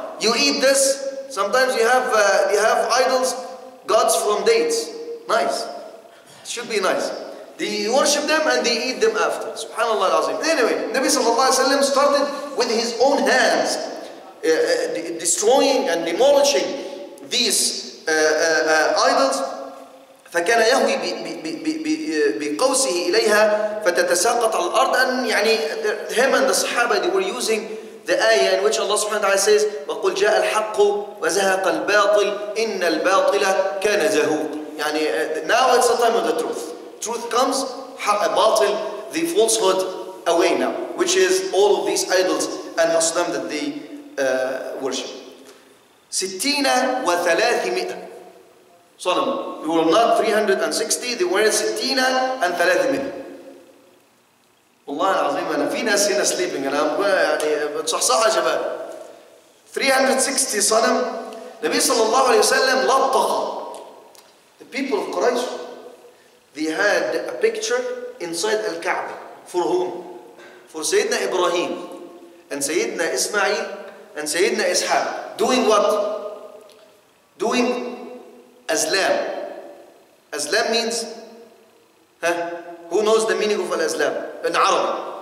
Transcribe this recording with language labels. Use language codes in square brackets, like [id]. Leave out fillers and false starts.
[en] You eat this. Sometimes you have idols, gods from dates. Nice. Should be nice. They worship them and they eat them after. SubhanAllah al-Azim. Anyway, Nabi sallallahu alayhi wa sallam started with his own hands destroying and demolishing these idols. [ar] فكان يهوي بقوسه إليها فتتساقط على الأرض. [en] And يعني him and the Sahaba, they were using the ayah in which Allah subhanahu wa ta'ala says, [ar] وَقُلْ جَاءَ الْحَقُّ وَزَهَقَ الْبَاطِلِ إِنَّ الْبَاطِلَ كَانَ زَهُوقٌ. [en] يعني now it's the time of the truth. Truth comes, باطل, the falsehood away now, which is all of these idols and Islam that they worship. 60 و 300. Solomon, you were not 360, they were 60 and 300. [ar] والله العظيم أنا في ناس هنا sleeping أنا يعني بتصحصحها يا شباب. 360 صنم النبي صلى الله عليه وسلم لطخ. [en] The people of Quraysh, they had a picture inside الكعبة for whom? For سيدنا إبراهيم and سيدنا إسماعيل and سيدنا إسحاق. Doing what? Doing أزلام. أزلام means Who knows the meaning of الأزلام؟ In Arab.